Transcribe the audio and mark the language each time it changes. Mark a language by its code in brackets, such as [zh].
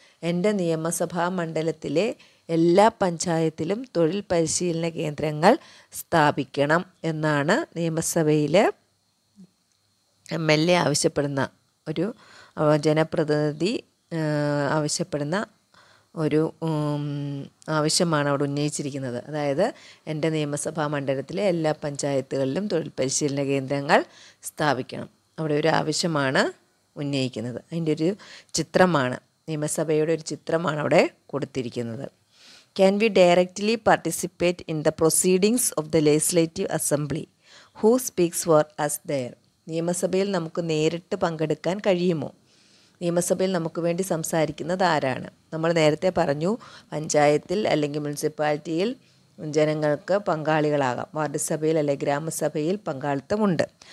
[ml] എൻ്റെ നിയമസഭാ മണ്ഡലത്തിലെ എല്ലാ പഞ്ചായത്തിലും തൊഴിൽ പരിശീലന കേന്ദ്രങ്ങൾ സ്ഥാപിക്കണം എന്നാണ് നിയമസഭയിൽ MLA ആവശ്യപ്പെടുന്ന ഒരു ജനപ്രതിനിധി ആവശ്യപ്പെടുന്ന ഒരു ആവശ്യമാണ് അവിടെ ഉന്നയിച്ചിരിക്കുന്നത്. അതായത് എൻ്റെ നിയമസഭാ മണ്ഡലത്തിലെ എല്ലാ പഞ്ചായത്തുകളിലും തൊഴിൽ പരിശീലന കേന്ദ്രങ്ങൾ സ്ഥാപിക്കണം, അവിടെ ഒരു ആവശ്യമാണ് ഉന്നയിക്കുന്നത്. അതിൻ്റെ ഒരു ചിത്രമാണ്, നിയമസഭയുടെ ഒരു ചിത്രമാണ് അവിടെ കൊടുത്തിരിക്കുന്നത്. [en] Can we directly participate in the proceedings of the legislative assembly? Who speaks for us there? [ml] നിയമസഭയിൽ നമുക്ക് നേരിട്ട് പങ്കെടുക്കാൻ കഴിയുമോ? നിയമസഭയിൽ നമുക്ക് വേണ്ടി സംസാരിക്കുന്നത് ആരാണ്? നമ്മൾ നേരത്തെ പറഞ്ഞു, പഞ്ചായത്തിൽ അല്ലെങ്കിൽ മുനിസിപ്പാലിറ്റിയിൽ ജനങ്ങൾക്ക് പങ്കാളികളാകാം, വാർഡ് സഭയിൽ അല്ലെങ്കിൽ ഗ്രാമസഭയിൽ പങ്കാളിത്തമുണ്ട്.